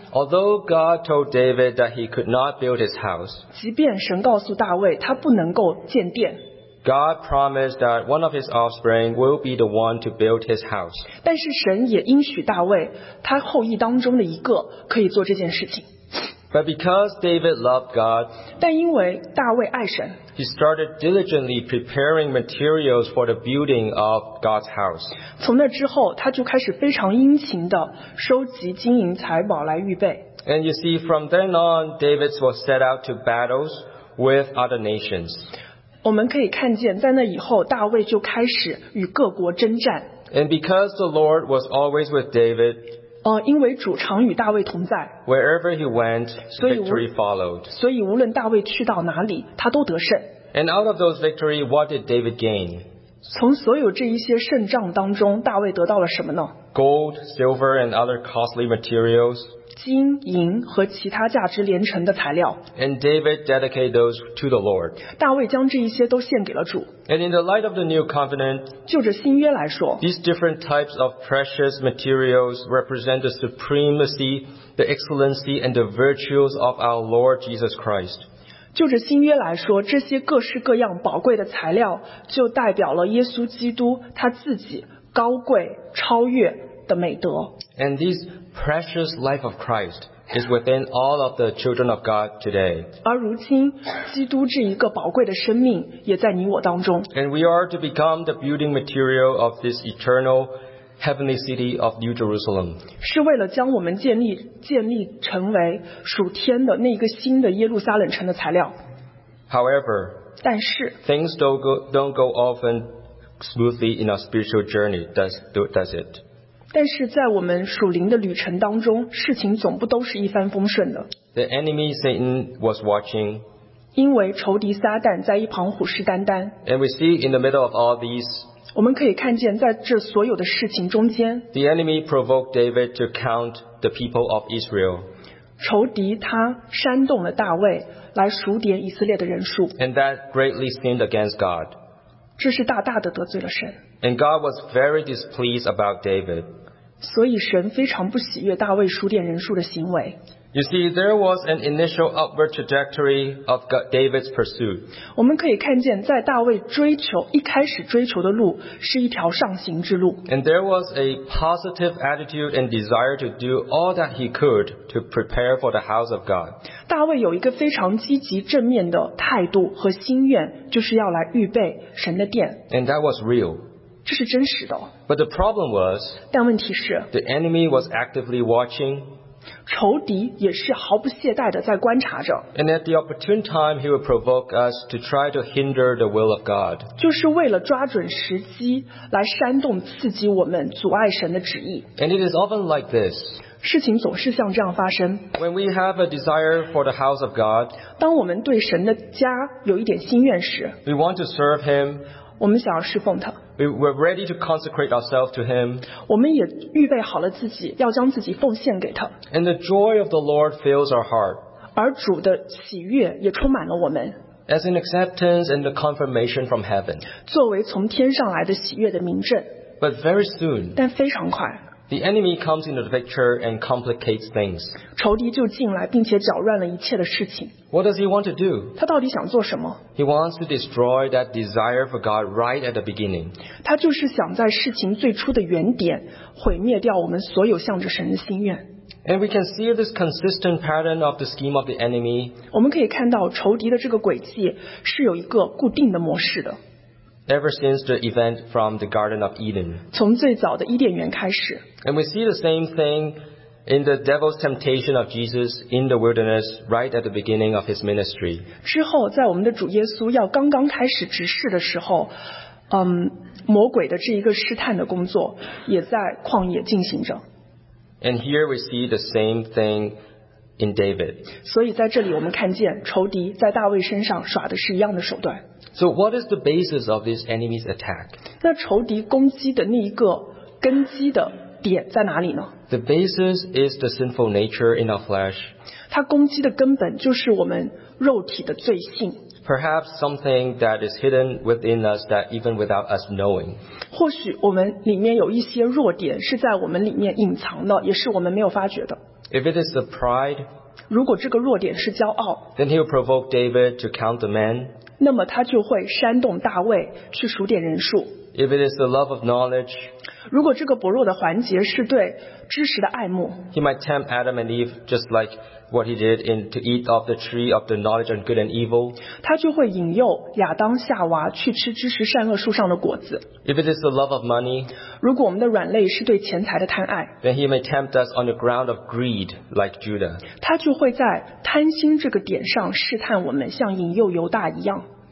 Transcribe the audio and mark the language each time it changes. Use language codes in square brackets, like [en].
[en] Although God told David that he could not build his house, [zh] 即便神告诉大卫他不能够建殿。 [en] God promised that one of his offspring will be the one to build his house. [zh] 但是神也应许大卫，他后裔当中的一个可以做这件事情。 [en] But because David loved God, [zh] 但因为大卫爱神， [en] he started diligently preparing materials for the building of God's house. [zh] 从那之后，他就开始非常殷勤地收集金银财宝来预备。 [en] And you see, from then on, David was set out to battles with other nations. [zh] 我们可以看见在那以后大卫就开始与各国征战。 [en] And because the Lord was always with David, [zh] 因为主常与大卫同在。 [en] Wherever he went, victory followed. [zh] 所以无论大卫去到哪里他都得胜。 [en] And out of those victories, what did David gain? [zh] 从所有这一些胜仗当中大卫得到了什么呢？ [en] Gold, silver, and other costly materials. [zh] 金银和其他价值连城的材料。 [en] And David dedicated those to the Lord. [zh] 大卫将这一些都献给了主。 [en] And in the light of the new covenant, [zh] 就着新约来说， [en] these different types of precious materials represent the supremacy, the excellency, and the virtues of our Lord Jesus Christ. [zh] 就着新约来说，这些各式各样宝贵的材料，就代表了耶稣基督他自己高贵超越的美德。 [en] And these precious life of Christ is within all of the children of God today. [zh] 而如今，基督这一个宝贵的生命也在你我当中。 [en] And we are to become the building material of this eternal heavenly city of New Jerusalem. [zh] 是为了将我们建立成为属天的那个新的耶路撒冷城的材料。 [en] However, [zh] 但是 [en] things don't go often smoothly in our spiritual journey, does it? [zh] 但是在我们属灵的旅程当中，事情总不都是一帆风顺的。 [en] The enemy Satan was watching. [zh] 因为仇敌撒旦在一旁虎视眈眈。 [en] And we see in the middle of all these. [zh] 我们可以看见在这所有的事情中间。 [en] The enemy provoked David to count the people of Israel. [zh] 仇敌他煽动了大卫来数点以色列的人数。 [en] And that greatly sinned against God. [zh] 这是大大的得罪了神。 [en] And God was very displeased about David. [zh] 所以神非常不喜悦大卫数点人数的行为。 [en] You see, there was an initial upward trajectory of David's pursuit. [zh] 我们可以看见在大卫一开始追求的路是一条上行之路。 [en] And there was a positive attitude and desire to do all that he could to prepare for the house of God. [zh] 大卫有一个非常积极正面的态度和心愿，就是要来预备神的殿。 [en] And that was real. [zh] 这是真实的。 [en] But the problem was, [zh] 但问题是 [en] the enemy was actively watching, [zh] 仇敌也是毫不懈怠地在观察着。 [en] And at the opportune time, he would provoke us to try to hinder the will of God. [zh] 就是为了抓准时机来煽动刺激我们阻碍神的旨意。 [en] And it is often like this. [zh] 事情总是像这样发生。 [en] When we have a desire for the house of God, [zh] 当我们对神的家有一点心愿时， [en] we want to serve him, [zh] 我们想要侍奉他。 [en] We're ready to consecrate ourselves to Him. [zh] 我们也预备好了自己，要将自己奉献给他。 [en] And the joy of the Lord fills our heart. [zh] 而主的喜悦也充满了我们。 [en] as an acceptance and a confirmation from heaven. [zh] 作为从天上来的喜悦的明证。 [en] But very soon, [zh] 但非常快。 [en] The enemy comes into the picture and complicates things. [zh] 仇敌就进来，并且搅乱了一切的事情。 [en] What does he want to do? [zh] 他到底想做什么？ [en] He wants to destroy that desire for God right at the beginning. [zh] 他就是想在事情最初的原点，毁灭掉我们所有向着神的心愿。 [en] And we can see this consistent pattern of the scheme of the enemy. [zh] 我们可以看到仇敌的这个轨迹是有一个固定的模式的。 [en] Ever since the event from the Garden of Eden. [zh] 从最早的伊甸园开始。 [en] And we see the same thing in the devil's temptation of Jesus in the wilderness right at the beginning of his ministry. [zh] 之后在我们的主耶稣要刚刚开始执事的时候、魔鬼的这一个试探的工作也在旷野进行着。 [en] And here we see the same thing in David. [zh] 所以在这里我们看见仇敌在大卫身上耍的是一样的手段。 [en] So what is the basis of this enemy's attack? [zh] 那仇敌攻击的那一个根基的点在哪里呢？ [en] The basis is the sinful nature in our flesh. [zh] 他攻击的根本就是我们肉体的罪性。 [en] Perhaps something that is hidden within us that even without us knowing. [zh] 或许我们里面有一些弱点是在我们里面隐藏的，也是我们没有发觉的。 [en] If it is the pride, [zh] 如果这个弱点是骄傲， [en] then he will provoke David to count the men. [zh] 那么他就会煽动大卫去数点人数。 [en] If it is the love of knowledge, [zh] 如果这个薄弱的环节是对知识的爱慕， [en] he might tempt Adam and Eve just like what he did in to eat of the tree of the knowledge of good and evil. [zh] 他就会引诱亚当夏娃去吃知识善恶树上的果子。 [en] If it is the love of money, [zh] 如果我们的软肋是对钱财的贪爱， [en] then he may tempt us on the ground of greed like Judah. [zh] 他就会在贪心这个点上试探我们，像引诱犹大一样。